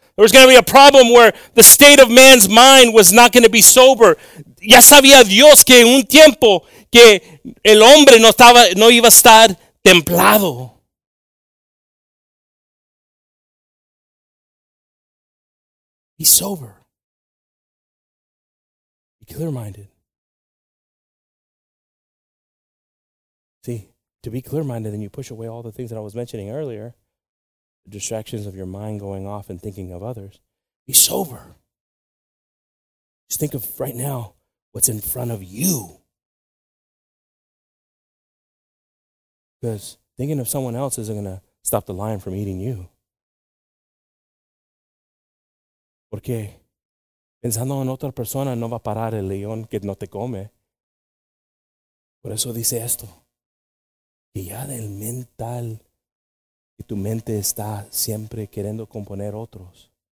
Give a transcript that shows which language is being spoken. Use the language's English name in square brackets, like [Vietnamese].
[English] There was going to be a problem where the state of man's mind was not going to be sober. [Spanish] Ya sabía Dios que un tiempo que el hombre no iba a estar templado. [English] Be sober. Be clear-minded. See, to be clear-minded, then you push away all the things that I was mentioning earlier, the distractions of your mind going off and thinking of others. Be sober. Just think of right now what's in front of you. Because thinking of someone else isn't going to stop the lion from eating you. [Spanish] Porque pensando en otra persona no va a parar el león que no te come. Por eso dice esto. Que ya del mental, que tu mente está siempre queriendo componer otros.